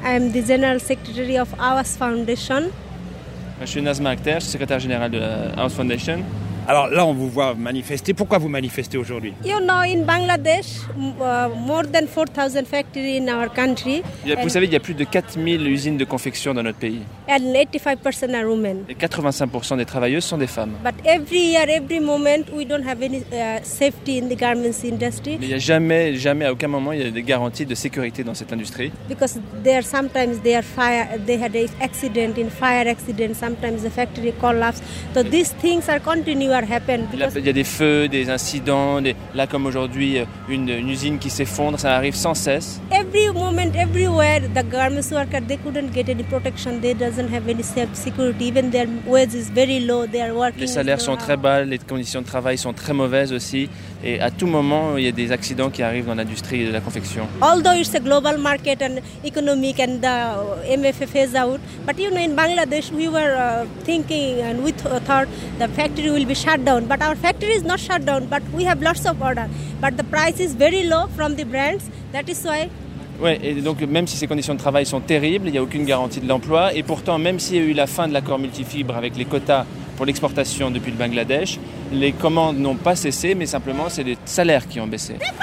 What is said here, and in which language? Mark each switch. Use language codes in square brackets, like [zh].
[en] I am the General Secretary of AWAS Foundation. [fr] Je suis Nazma Akhter, secrétaire général de AWAS Foundation. Alors là, on vous voit manifester. Pourquoi vous manifestez aujourd'hui? [en] You know, in Bangladesh, more than 4,000 factories in our country. [fr] Vous savez, il y a plus de 4,000 usines de confection dans notre pays. [en] And 85% are women. [fr] Et 85% des travailleuses sont des femmes. [en] But every year, every moment, we don't have any safety in the garments industry. [fr] Mais il n'y a jamais, jamais, à aucun moment, il y a des garanties de sécurité dans cette industrie. [en] Because there sometimes they are fire, they had an accident, in fire accident, sometimes the factory collapse. So these things are continuing to happen. [fr] Il y a des feux, des incidents, là comme aujourd'hui, une usine qui s'effondre, ça arrive sans cesse. [en] Every moment, everywhere, the garments workers, they couldn't get any protection, they doesn't have any self-security, even their wages is very low, they are working. [fr] Les salaires sont très bas, les conditions de travail sont très mauvaises aussi, et à tout moment, il y a des accidents qui arrivent dans l'industrie de la confection. [en] Although it's a global market and economic and the MFA phase out, but you know, in Bangladesh, we were thinking and we thought the factory will be shut down, but our factory is not shut down, but we have lots of order, but the price is very low from the brands, that is why. [fr] Ouais, et donc même si ces conditions de travail sont terribles, il n'y a aucune garantie de l'emploi, et pourtant même s'il y a eu la fin de l'accord multifibre avec les quotas pour l'exportation depuis le Bangladesh, les commandes n'ont pas cessé, mais simplement c'est les salaires qui ont baissé.